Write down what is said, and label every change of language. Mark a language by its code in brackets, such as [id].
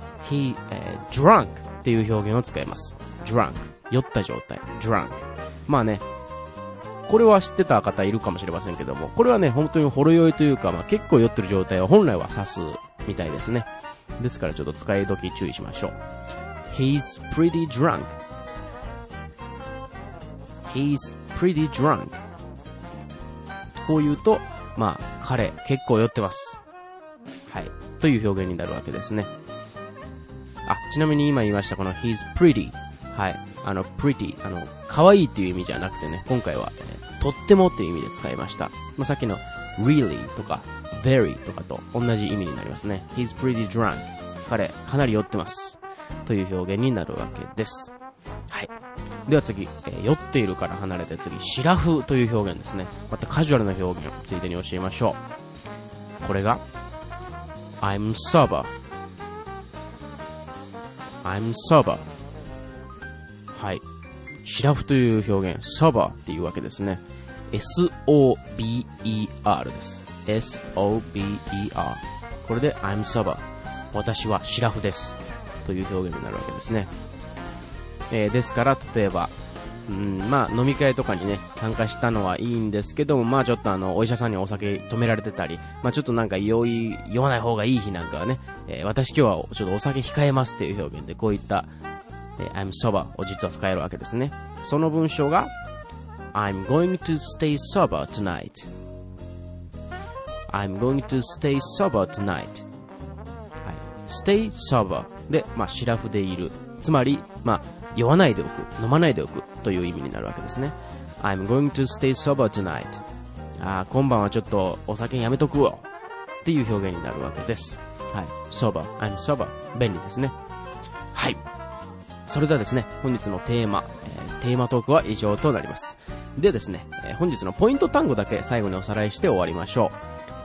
[ja] He、drunk っていう表現を使います。drunk、 酔った状態、 drunk。まあね、これは知ってた方いるかもしれませんけども、これはね本当にほろ酔いというか、まあ、結構酔ってる状態を本来は指すみたいですね。ですからちょっと使い時注意しましょう。 [en] He's pretty drunkHe's pretty drunk. [ja] こう言うと、まあ、彼、結構酔ってます。はい。という表現になるわけですね。あ、ちなみに今言いました、この he's pretty。はい。pretty。可愛いっていう意味じゃなくてね、今回は、とってもっていう意味で使いました。まあ、さっきの really とか very とかと同じ意味になりますね。 [en] he's pretty drunk。 [ja] 彼、かなり酔ってます。という表現になるわけです。はい、では次、酔っているから離れて、次シラフという表現ですね。またカジュアルな表現をついでに教えましょう。これが [en] I'm sober。 I'm sober。 [ja] はい、シラフという表現、 sober っていうわけですね。 S-O-B-E-R です。 S-O-B-E-R、 これで [en] I'm sober、 [ja] 私はシラフですという表現になるわけですね。ですから例えば、まあ飲み会とかにね参加したのはいいんですけども、まあちょっとあのお医者さんにお酒止められてたり、まあちょっとなんか酔わない方がいい日なんかはね、私今日はちょっとお酒控えますっていう表現でこういった、 [en] I'm sober [ja] を実は使えるわけですね。その文章が [en] I'm going to stay sober tonight。 I'm going to stay sober tonight、 [ja] はい、stay sober で、まあ、シラフでいる、つまり、まあ、酔わないでおく、飲まないでおくという意味になるわけですね。 [en] I'm going to stay sober tonight。 [ja] あ、今晩はちょっとお酒やめとくわっていう表現になるわけです。はい、sober、 [en] I'm sober、 [ja] 便利ですね。はい、それではですね、本日のテーマトークは以上となります。でですね、本日のポイント単語だけ最後におさらいして終わりましょう。